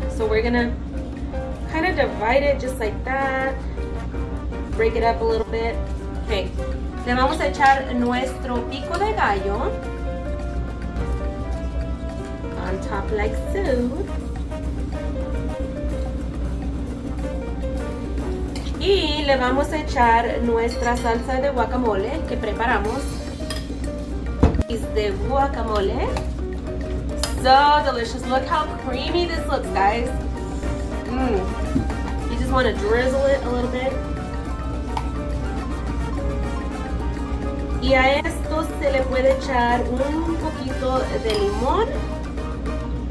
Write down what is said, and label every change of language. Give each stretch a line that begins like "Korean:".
English: So we're gonna kind of divide it just like that, break it up a little bit.
Spanish: Okay, le vamos a echar nuestro pico de gallo.
English: On top like so.
Spanish: Y le vamos a echar nuestra salsa de guacamole que preparamos. Es de guacamole.
English: so delicious. Look how creamy this looks, guys. You just want to drizzle it a little bit.
Spanish: Y a esto se le puede echar un poquito de limón.